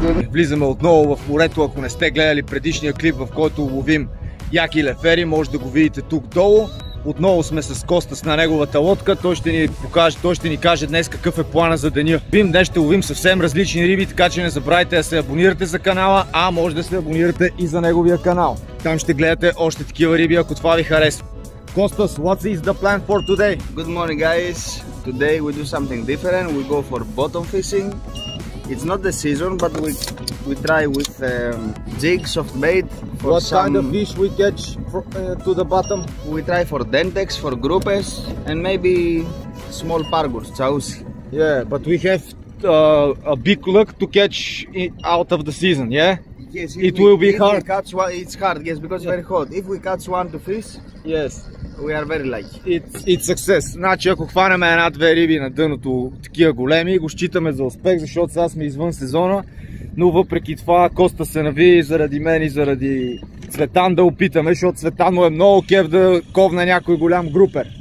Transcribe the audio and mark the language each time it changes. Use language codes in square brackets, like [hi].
[bg] Влизаме отново в морето, ако не сте гледали предишния клип, в който ловим яки лефери, може да го видите тук долу. Отново сме с Костас на неговата лодка, той ще ни покаже, той ще ни каже днес какъв е плана за деня. Днес ще ловим съвсем различни риби, така че не забравяйте да се абонирате за канала, а може да се абонирате и за неговия канал. Там ще гледате още такива риби, ако това ви харесва. [en] Костас, what is the plan for today? Good morning, guys. Today we do something different. We go for bottom fishing. It's not the season, but we try with jig, soft bait. For what some kind of fish we catch to the bottom? We try for dentex, for groupes, and maybe small pargus, chausi. Yeah, but we have a big luck to catch out of the season, yeah? Yes, it will be hard. It's hard, yes, because it's very hot. If we catch one to fish, yes. We are very lucky. It's success. [bg] Значи ако хванем една-две риби на дъното, такива големи, го считаме за успех, защото сега сме извън сезона. Но въпреки това Коста се нави заради мен и заради Цветан да опитаме, защото Цветан му е много кеф да ковне някой голям групер.